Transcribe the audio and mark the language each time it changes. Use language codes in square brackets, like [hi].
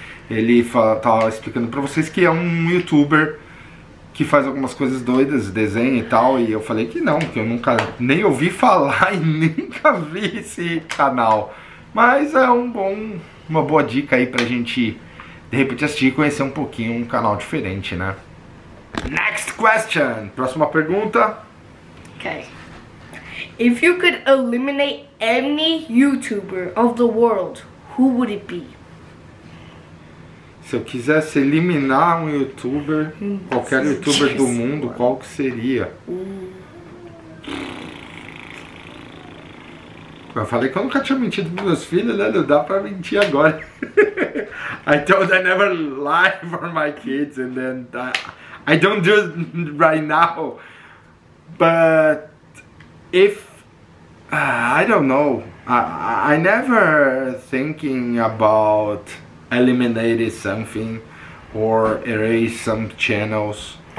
[pt] Ele tava explicando pra vocês que é um YouTuber que faz algumas coisas doidas, desenha e tal, e eu falei que não, que eu nunca nem ouvi falar e nunca vi esse canal. Mas é uma boa dica aí pra gente... De repente assistir e conhecer um pouquinho um canal diferente, né? [en] Next question! [pt] Próxima pergunta. [en] Ok. If you could eliminate any YouTuber of the world, who would it be? [pt] Se eu quisesse eliminar um YouTuber, qualquer YouTuber do mundo, qual que seria? Eu falei que eu nunca tinha mentido pros meus filhos, né? Não dá pra mentir agora. [en] I told I never lie for my kids, and then I don't do it right now. But if I don't know, I never thinking about eliminating something or erase some channels.